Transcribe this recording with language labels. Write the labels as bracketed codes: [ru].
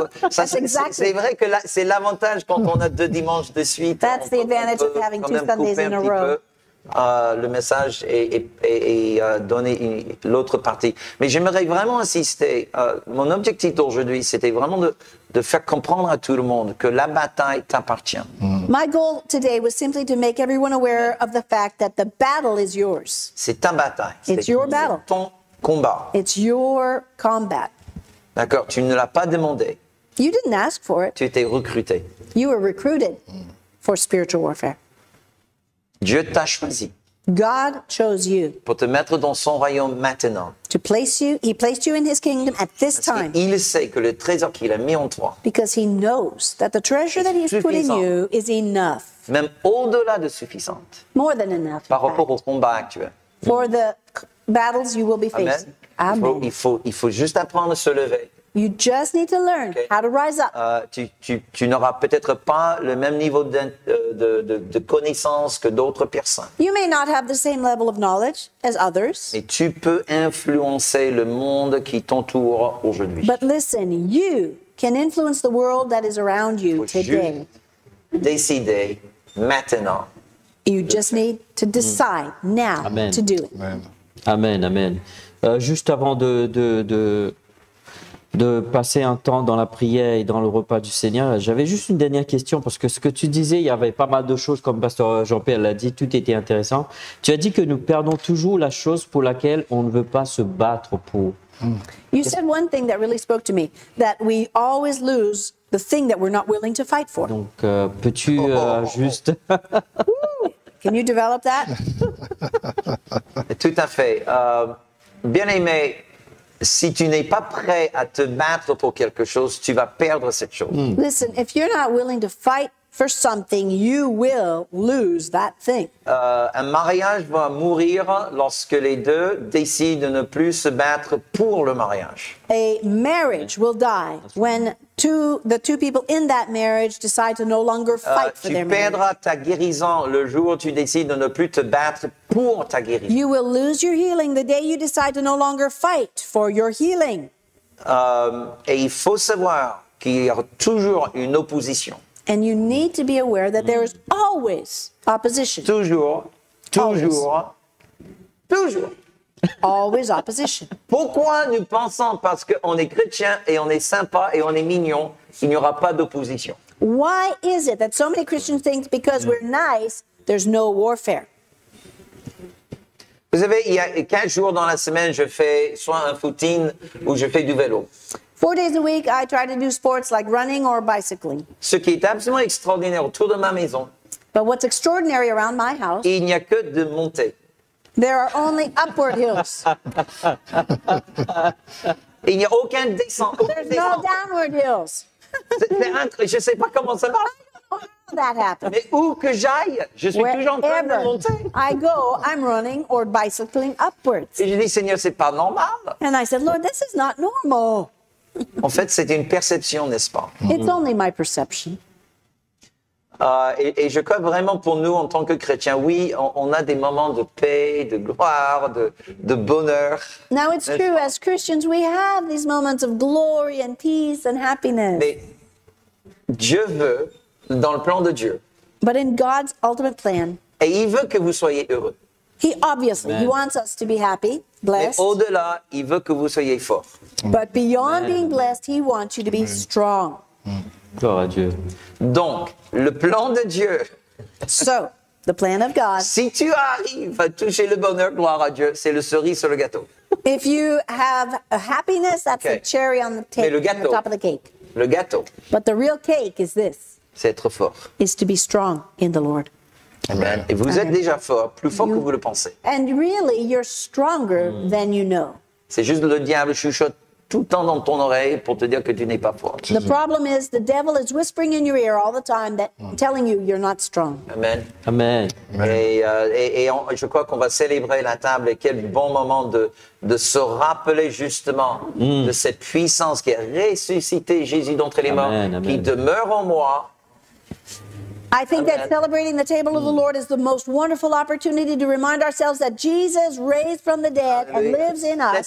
[fr] Ça, c'est vrai que là, c'est l'avantage quand on a deux dimanches de suite. [en] That's the advantage of having two Sundays in a row. [fr] Le message et donner l'autre partie. Mais j'aimerais vraiment insister, mon objectif d'aujourd'hui, c'était vraiment de faire comprendre à tout le monde que la bataille t'appartient. [en] My goal today was simply to make everyone aware of the fact that the battle is yours. [fr] C'est ta bataille. [en] It's your battle. [fr] C'est ton combat. [en] It's your combat. [fr] D'accord, tu ne l'as pas demandé. [en] You didn't ask for it. [fr] Tu étais recruté. [en] You were recruited for spiritual warfare. [fr] Dieu t'a choisi. [en] God chose you. [fr] Pour te mettre dans son royaume maintenant. [en] To place you, he placed you in his kingdom at this time. [fr] Il sait que le trésor qu'il a mis en toi. [en] Because he knows that the treasure that he's put in you is enough. [fr] Même au-delà de suffisante. [en] More than enough. [fr] Par rapport au combat actuel. [en] For the battles you will be facing. [fr] Amen. Il faut juste apprendre à se lever. [en] You just need to learn how to rise up. [fr] Tu n'auras peut-être pas le même niveau de connaissance que d'autres personnes. [en] You may not have the same level of knowledge as others. [fr] Mais tu peux influencer le monde qui t'entoure aujourd'hui. [en] But listen, you can influence the world that is around you today. [fr] Juste décider maintenant. [en] You just need to decide now amen. To do it. Amen, amen. [fr] Juste avant de passer un temps dans la prière et dans le repas du Seigneur. J'avais juste une dernière question, parce que ce que tu disais, il y avait pas mal de choses, comme pasteur Jean-Pierre l'a dit, tout était intéressant. Tu as dit que nous perdons toujours la chose pour laquelle on ne veut pas se battre pour. [en] You said one thing that really spoke to me, that we always lose the thing that we're not willing to fight for. [fr] Donc, peux-tu juste... [en] Can you develop that? [fr] Tout à fait. Bien aimé, si tu n'es pas prêt à te battre pour quelque chose, tu vas perdre cette chose. [en] Listen, if you're not willing to fight for something, you will lose that thing. [fr] Un mariage va mourir lorsque les deux décident de ne plus se battre pour le mariage. [en] A marriage will die when the two people in that marriage decide to no longer fight for their marriage. [fr] Tu perdras ta guérison le jour où tu décides de ne plus te battre pour ta guérison. [en] You will lose your healing the day you decide to no longer fight for your healing. [fr] Et il faut savoir qu'il y a toujours une opposition. [en] And you need to be aware that there is always opposition. [fr] Toujours, toujours, [en] always. [fr] Toujours. [en] Always opposition. [fr] Pourquoi nous pensons parce qu'on est chrétien et on est sympa et on est mignon, il n'y aura pas d'opposition? [en] Why is it that so many Christians think because we're nice, there's no warfare? [fr] Vous savez, il y a 15 jours dans la semaine, je fais soit un footing ou je fais du vélo. [en] 4 days a week, I try to do sports like running or bicycling. [fr] Ce qui est absolument extraordinaire autour de ma maison. [en] But what's extraordinary around my house? [fr] Il n'y a que de monter. [en] There are only upward hills. [fr] Il n'y a aucun descente. [en] There's no downward hills. [fr] Je ne sais pas comment ça marche. [en] I don't know how that happens. [fr] Mais où que j'aille, je suis [en] Wherever [fr] toujours en train de monter. [en] I go, I'm running or bicycling upwards. [fr] Et je dis, Seigneur, ce n'est pas normal. [en] And I said, Lord, this is not normal. [fr] En fait, c'est une perception, n'est-ce pas? [en] It's only my perception. [fr] Et je crois vraiment pour nous, en tant que chrétiens, oui, on a des moments de paix, de gloire, de bonheur. [en] Now it's true, as Christians, we have these moments of glory and peace and happiness. [fr] Mais Dieu veut, dans le plan de Dieu. [en] But in God's ultimate plan. [fr] Et il veut que vous soyez heureux. [en] He obviously, Amen. He wants us to be happy, blessed. [fr] Mais au-delà, il veut que vous soyez fort. [en] But beyond Amen. Being blessed, he wants you to be Amen. Strong. [fr] Gloire à Dieu. Donc, le plan de Dieu. [en] So, the plan of God. [fr] Si tu arrives à toucher le bonheur, gloire à Dieu, c'est le cerise sur le gâteau. [en] If you have a happiness, that's okay. The cherry on the cake. [fr] Mais le gâteau. [en] On the top of the cake. [fr] Le gâteau. [en] But the real cake is this. [fr] C'est être fort. [en] Is to be strong in the Lord. [fr] Amen. Et vous Amen. Êtes déjà fort, plus fort you, que vous le pensez. [en] And really, you're stronger than you know. [fr] C'est juste le diable chuchote tout le temps dans ton oreille pour te dire que tu n'es pas fort. [en] The problem is the devil is whispering in your ear all the time that telling you you're not strong. Amen. Amen. [fr] Et je crois qu'on va célébrer la table et quel bon moment de se rappeler justement de cette puissance qui a ressuscité Jésus d'entre les morts, qui demeure en moi. [en] I think that celebrating the table of the Lord is the most wonderful opportunity to remind ourselves that Jesus raised from the dead and lives in us.